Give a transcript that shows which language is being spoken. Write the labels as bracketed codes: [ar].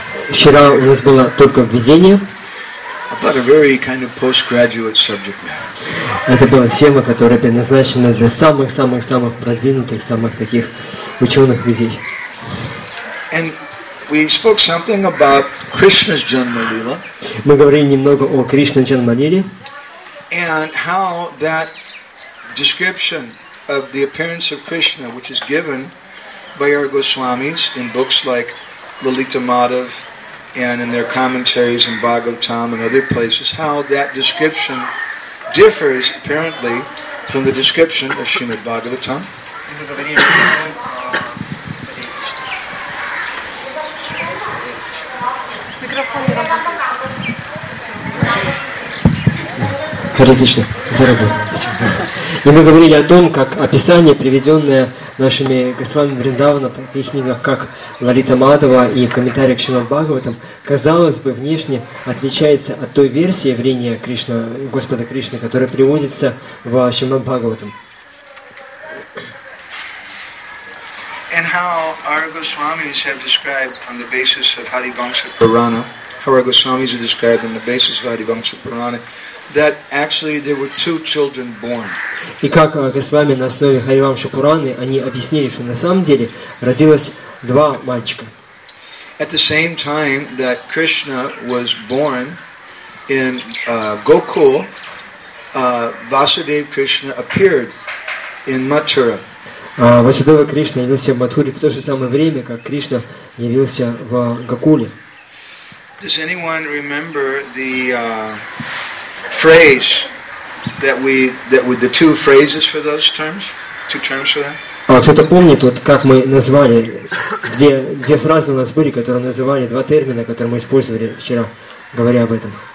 [ru] Вчера у нас было только введение. [en] About a very kind of postgraduate subject matter. [ru] Это была тема, которая предназначена для самых-самых-самых продвинутых, самых таких ученых людей. [en] And we spoke something about Krishna's Janmalila. [ru] Мы говорили немного о Кришна Джанмалиле. [en] And how that description of the appearance of Krishna, which is given by our Goswamis in books like Lalita Madhav, and in their commentaries in Bhagavatam and other places, how that description differs apparently from the description of Srimad Bhagavatam. [ru] И мы говорили о том, как описание, приведенное нашими Госвами Вриндавана в таких книгах, как Лалита Мадхава и комментарии к Шримад Бхагаватам, казалось бы, внешне отличается от той версии явления Кришны, Господа Кришны, которая приводится в Шримад Бхагаватам. [en] And how our Goswamis have described on the basis of Harivamsa Purana, how our Goswamis have described on the basis of Harivamsa Purana, that actually there were two children born. [ru] И как Госвами на основе Харивамши Пураны они объяснили, что на самом деле родилось два мальчика. [en] At the same time that Krishna was born in Gokul, Vasudev Krishna appeared in Mathura. [ru] Васудева Кришна явился в Матхуре в то же самое время, как Кришна явился в Гокуле. [en] Does anyone remember the phrase that we the two phrases for those terms, two terms for that? [ru] Кто-то помнит, вот как мы назвали две фразы у нас были, которые называли два термина, которые мы использовали вчера, говоря об этом.